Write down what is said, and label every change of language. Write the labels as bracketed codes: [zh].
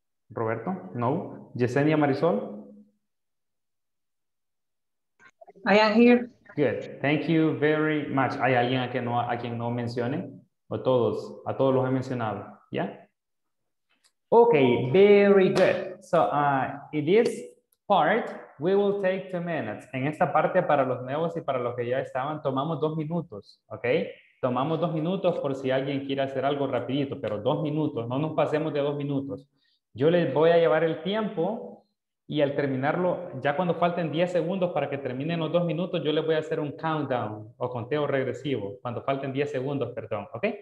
[es] Roberto, no. Yesenia Marisol. [en] I am here. Good. Thank you very much. [es] ¿Hay alguien a quien no mencione? A todos los he mencionado. Yeah. [en] Okay, very good. So in this part, we will take 2 minutes. [es] En esta parte, para los nuevos y para los que ya estaban, tomamos 2 minutos, okay? Tomamos 2 minutos por si alguien quiere hacer algo rapidito, pero 2 minutos, no nos pasemos de 2 minutos. Yo les voy a llevar el tiempo y al terminarlo, ya cuando falten 10 segundos para que terminen los 2 minutos, yo les voy a hacer un countdown o conteo regresivo, cuando falten 10 segundos, perdón, ¿ok?